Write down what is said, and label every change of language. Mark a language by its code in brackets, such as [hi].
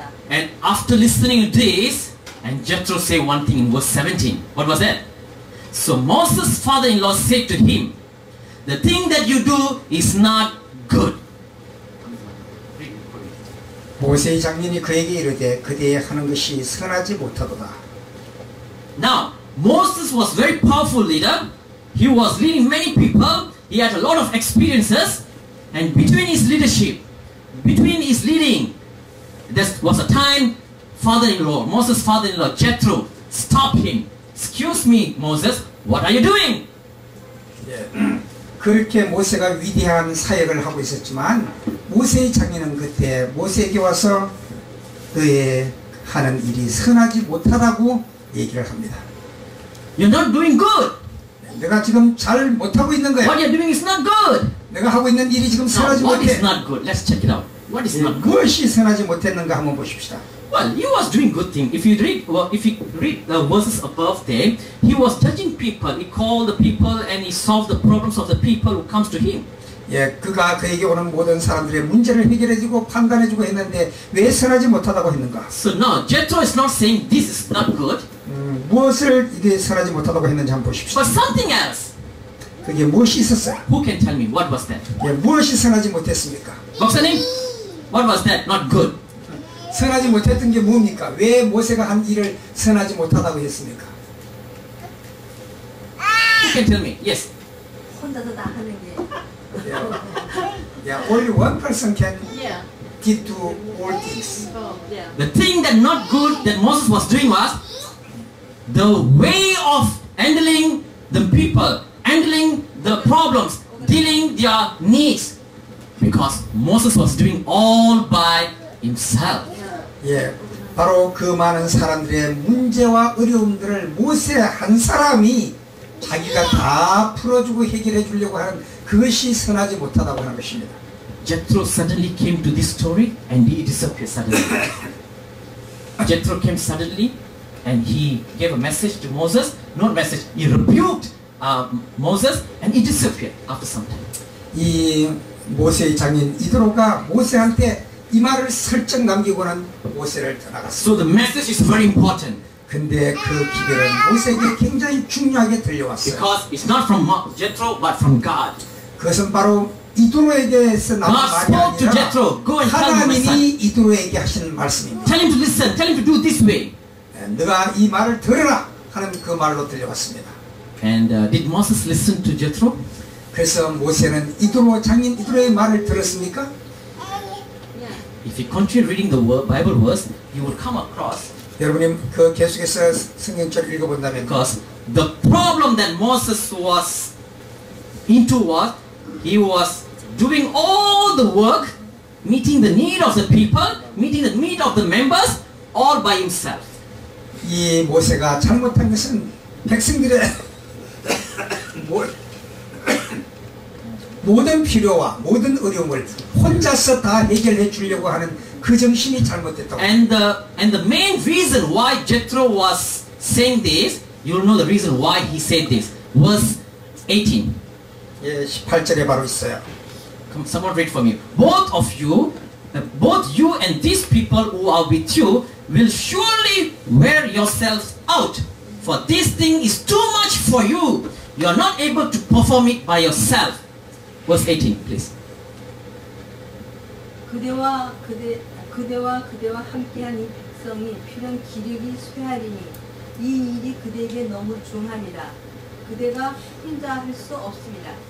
[en] And after listening to this, and Jethro say one thing in verse 17. What was that? So Moses' father-in-law said to him, The thing that you do is not good. [ko] 모세의 장인이 그에게 이르되 그대의 하는 것이 선하지 못하도다. [en] Now, Moses was a very powerful leader. He was leading many people. He had a lot of experiences. And between his leadership, between his leading, there was a time father-in-law, Moses' father-in-law, Jethro, stopped him. Excuse me, Moses. What are you doing? [ko] 예, 그렇게 모세가 위대한 사역을 하고 있었지만 모세의 장인은 그때 모세에게 와서 그의 하는 일이 선하지 못하다고 얘기를 합니다. [en] You're not doing good. [ko] 내가 지금 잘 못하고 있는 거야. [en] What you're doing is not good. [ko] 내가 하고 있는 일이 지금 선하지 [en] Now, what [ko] 못해. [en] What is not good? Let's check it out. What is 예, not good? [ko] 무엇이 선하지 못했는가 한번 보십시다. [en] Well, he was doing good thing. If you read the verses above there, he was judging people. He called the people and he solved the problems of the people who comes to him. [ko] 예, 그가 그에게 오는 모든 사람들의 문제를 해결해주고 판단해주고 했는데 왜 선하지 못하다고 했는가? [en] So now, Jethro is not saying this is not good. [ko] 무엇을 이게 선하지 못하다고 했는지 한번 보십시오. [en] But something else. [ko] 그게 무엇이 있었어요? [en] Who can tell me what was that? [ko] 예, 무엇이 선하지 못했습니까? [en] 박사님, what was that? Not good. [ko] 선하지 못했던 게 뭡니까? 왜 모세가 한 일을 선하지 못하다고 했습니까? [en] You can tell me. Yes. [ko] 혼자서 다 하는 게. [en] Yeah. Yeah. Only one person can get to all things. The thing that not good that Moses was doing was the way of handling the people, handling the problems, dealing their needs. Because Moses was doing all by himself. Yeah. [ko] 바로 그 많은 사람들의 문제와 어려움들을 모세 한 사람이 자기가 다 풀어주고 해결해 주려고 하는 그것이 선하지 못하다고 하는 것입니다. [en] Jethro suddenly came to this story and he disappeared suddenly. Jethro came suddenly and he gave a message to Moses. Not message, he rebuked Moses and he disappeared after some time. [ko] 이 모세의 장인 이드로가 모세한테 이 말을 설정 남기고는 모세를 떠나갔어. [en] So the message is very important. [ko] 근데 그 기별은 모세에게 굉장히 중요하게 들려왔어. [en] Because it's not from Jethro but from God. [ko] 그것은 바로 이드로에게서 나온 말이 아니라 [en] God spoke to Jethro. Go and tell him. [ko] 하나님이 이드로에게 하신 말씀입니다. [en] Tell him to listen. Tell him to do this way. [ko] 네가 이 말을 들으라. 하나님 그 말로 들려왔습니다. [en] And did Moses listen to Jethro? [ko] 그래서 모세는 이드로 장인 이드로의 말을 들었습니까? [en] If you continue reading the Bible verse, you will come across. [ko] 여러분, 그 계속해서 성경책 읽어본다면. [en] Because the problem that Moses was into was he was doing all the work, meeting the need of the people, meeting the need of the members, all by himself. [ko] 이 모세가 잘못한 것은 백성들의 모든 필요와 모든 어려움을 혼자서 다 해결해 주려고 하는 그 정신이 잘못됐다고. [en] And the main reason why Jethro was saying this, you know the reason why he said this, was 18. [ko] 예, 18절에 바로 있어요. [en] Come, someone read for me. Both of you, both you and these people who are with you, will surely wear yourselves out. For this thing is too much for you. You are not able to perform it by yourself. Verse 18, please. [ko] 그대와 그대와 함께한 이 백성이 필연 기력이 쇠하리니 이 일이 그대에게 너무 중함이라 그대가 혼자 할 수 없습니다.